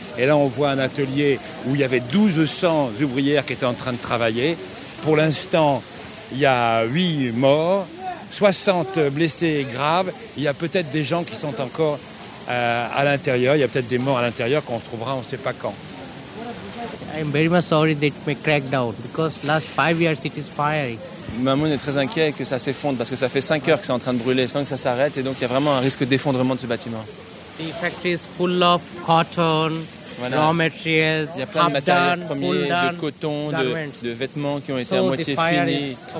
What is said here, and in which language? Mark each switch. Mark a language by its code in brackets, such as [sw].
[fr] Et là, on voit un atelier où il y avait 1200 ouvrières qui étaient en train de travailler. Pour l'instant, il y a 8 morts. 60 blessés graves. Il y a peut-être des gens qui sont encore à l'intérieur. Il y a peut-être des morts à l'intérieur qu'on trouvera, on ne sait pas quand. [en] I'm very much sorry that it may crack down because last 5 years it is firing. [fr] Mamoun est très inquiet que ça s'effondre parce que ça fait 5 heures que c'est en train de brûler sans que ça s'arrête et donc il y a vraiment un risque d'effondrement de ce bâtiment. [en] The factory is full of cotton. Voilà. Raw materials, [fr] il y a plein de matériaux premiers, de coton, de vêtements qui ont été à moitié finis.